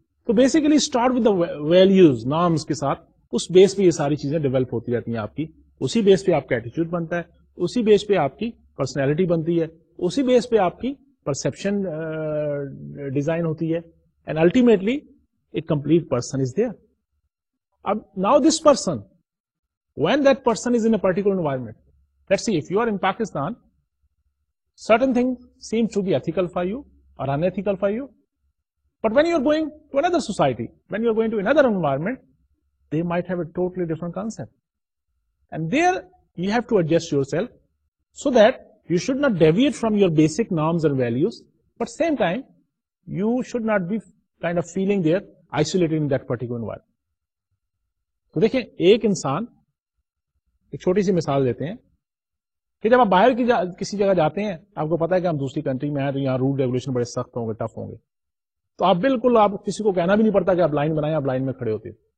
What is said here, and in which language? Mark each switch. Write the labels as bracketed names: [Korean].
[Urdu] تو basically [English] start with the values, [Urdu] norms کے ساتھ, اس بیس پہ یہ ساری چیزیں ڈیولپ ہوتی رہتی ہیں آپ کی, اسی بیس پہ آپ کا ایٹیچیوڈ بنتا ہے, اسی بیس پہ آپ کی پرسنالٹی بنتی ہے, اسی بیس پہ آپ کی پرسیپشن ڈیزائن ہوتی ہے, [English] And ultimately a complete person is there. اب now this person, when that person is in a particular environment, let's see, if you are in Pakistan, certain things seem to be ethical for you or unethical for you, but when you are going to another society, when you are going to another environment, they might have a totally different concept, and there you have to adjust yourself so that you should not deviate from your basic norms and values, but same time you should not be kind of feeling there isolated in that particular environment. [Urdu] So dekhiye, ek insaan, ایک چھوٹی سی مثال دیتے ہیں کہ جب آپ باہر کی کسی جگہ جاتے ہیں, آپ کو پتا ہے کہ ہم دوسری کنٹری میں ہیں تو یہاں رول ریگولیشن بڑے سخت ہوں گے, ٹف ہوں گے, تو آپ بالکل, آپ کسی کو کہنا بھی نہیں پڑتا کہ آپ لائن بنائیں, آپ لائن میں کھڑے ہوتے ہیں.